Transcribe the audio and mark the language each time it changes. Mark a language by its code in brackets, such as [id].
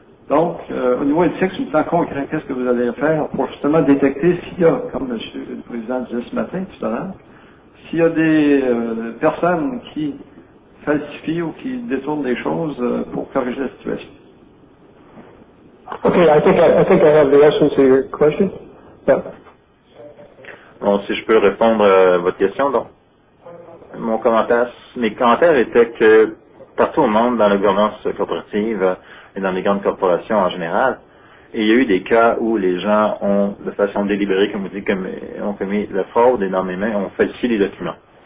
[fr] Donc, au niveau éthique, sur le plan concret, qu'est-ce que vous allez faire pour justement détecter s'il y a, comme monsieur le président disait ce matin, tout à l'heure, s'il y a des personnes qui falsifient ou qui détournent des choses pour corriger la situation? [en] Okay, I think I have the answer to your question. Yeah. [fr] Bon, si je peux répondre à votre question, donc. Mes commentaires étaient que partout au monde, dans la gouvernance corporative et dans les grandes corporations en général, il y a eu des cas où les gens ont, de façon délibérée, comme vous dites, ont commis la fraude et dans mes mains ont falsifié les documents.